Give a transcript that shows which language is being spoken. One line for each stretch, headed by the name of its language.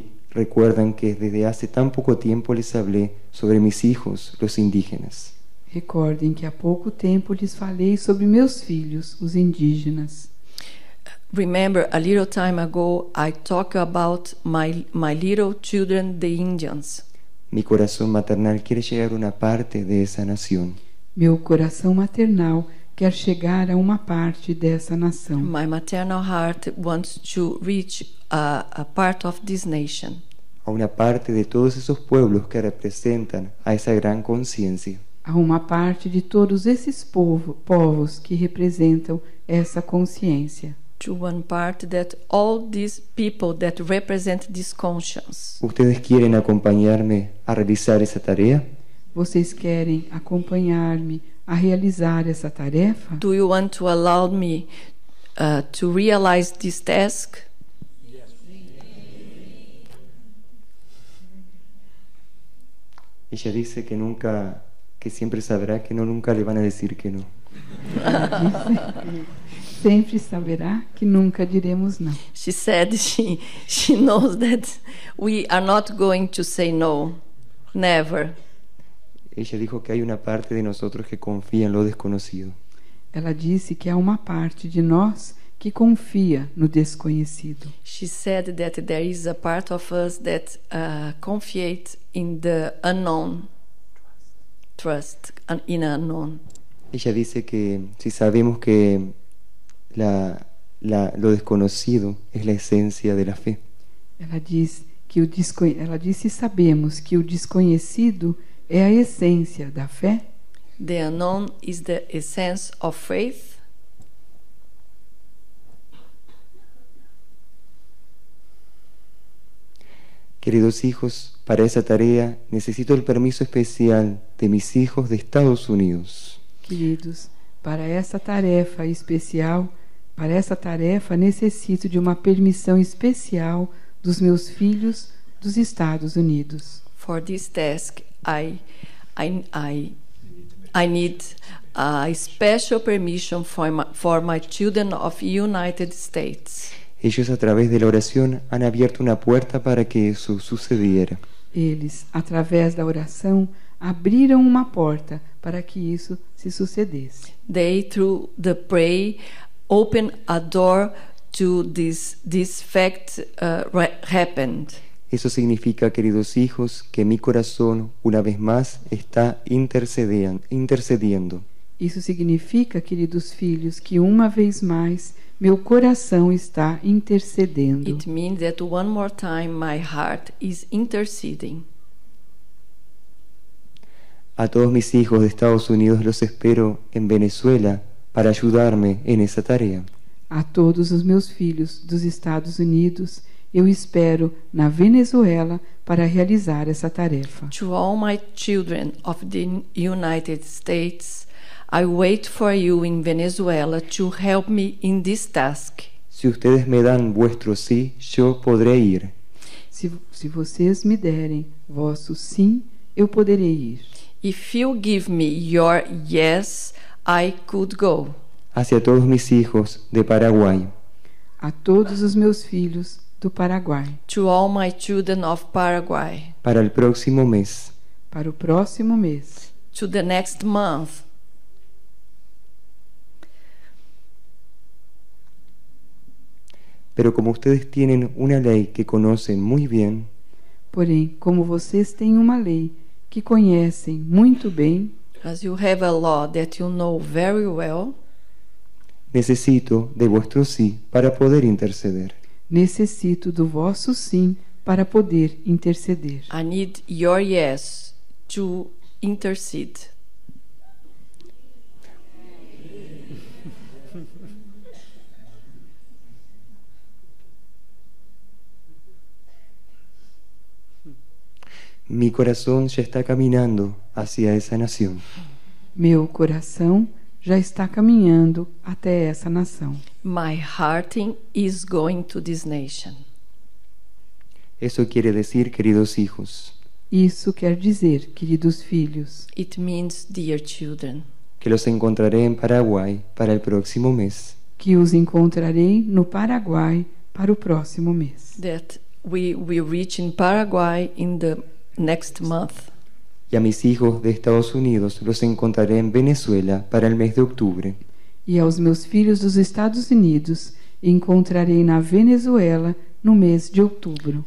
Spanish: Recuerdan que desde hace tan poco tiempo les hablé sobre mis hijos, los indígenas.
Portuguese: Recordem que há pouco tempo lhes falei sobre meus filhos, os indígenas.
English: Remember, a little time ago, I talked about my little children, the Indians.
Spanish: Mi corazón maternal quiere llegar a una parte de esa nación.
Portuguese: Meu coração maternal quer chegar a uma parte dessa nação.
English: My maternal heart wants to reach a part of this nation.
Spanish: A una parte de todos esos pueblos que representan a esa gran conciencia.
Portuguese: A uma parte de todos esses povos que representam essa consciência.
English: To one part that all these people that represent this conscience.
Spanish: ¿Ustedes quieren acompañarme a realizar esa tarea?
Portuguese: ¿Vocês querem acompanhar-me a realizar essa tarefa?
English: Do you want to allow me to realize this task? Yes.
Spanish: Ella dice que nunca, que siempre sabrá que no, nunca le van a decir que no.
Portuguese: Sempre saberá que nunca diremos não.
English: She said she knows that we are not going to say no, never.
Spanish: Ella dijo que hay una parte de nosotros que confía en lo desconocido.
Portuguese: Ela disse que há uma parte de nós que confia no desconhecido.
English: She said that there is a part of us that confiates in the unknown, trust in unknown.
Spanish: Ella dice que si sabemos que lo desconocido es la esencia de la fe.
Portuguese: Ela disse sabemos que o desconhecido é a essência da fé.
English: The unknown is the essence of faith.
Spanish: Queridos hijos, para esa tarea necesito el permiso especial de mis hijos de Estados Unidos.
Portuguese: Queridos, para essa tarefa especial, para essa tarefa necessito de uma permissão especial dos meus filhos dos Estados Unidos.
English: For this task, I need a special permission for my children of United States.
Spanish: Ellos a través de la oración han abierto una puerta para que eso sucediera.
Portuguese: Eles, através da oração, abriram uma porta para que isso se sucedesse.
English: They through the prayer open a door to this fact happened.
Spanish: Eso significa, queridos hijos, que mi corazón una vez más está intercediendo.
Portuguese: Isso significa, queridos filhos, que uma vez mais meu coração está intercedendo.
English: It means that one more time my heart is interceding.
Spanish: A todos mis hijos de Estados Unidos los espero en Venezuela para ayudarme en esa tarea.
Portuguese: A todos os meus filhos dos Estados Unidos, eu espero na Venezuela para realizar essa tarefa.
English: To all my children of the United States, I wait for you in Venezuela to help me in this task.
Spanish: Si ustedes me dan vuestro sí, yo podré ir.
Portuguese: Se vocês me derem vosso sim, eu poderei ir.
English: If you give me your yes, I could go.
Spanish: Hacia todos mis hijos de Paraguay.
Portuguese: A todos os meus filhos do Paraguai.
English: To all my children of Paraguay.
Spanish: Para el próximo mes.
Portuguese: Para o próximo mês.
English: To the next month.
Spanish: Pero como ustedes tienen una ley que conocen muy bien.
Portuguese: Porém, como vocês têm uma lei que conhecem muito bem.
English: As you have a law that you know very well.
Spanish: Necesito de vuestro sí para poder interceder.
Portuguese: Necesito do vosso sim para poder interceder.
English: I need your yes to intercede.
Spanish: Mi corazón ya está caminando hacia esa nación.
Portuguese: Meu coração já está caminhando até essa nação.
English: My heart is going to this nation.
Spanish: Eso quiere decir, queridos hijos.
Portuguese: Isso quer dizer, queridos filhos.
English: It means, dear children.
Spanish: Que los encontraré en Paraguay para el próximo mes.
Portuguese: Que os encontrarei no Paraguai para o próximo mês.
English: That we will reach in Paraguay in the next month.
Spanish: Y a mis hijos de Estados Unidos los encontraré en Venezuela para el mes de octubre.
Portuguese: E aos meus filhos dos Estados Unidos encontrarei na Venezuela no mês de outubro.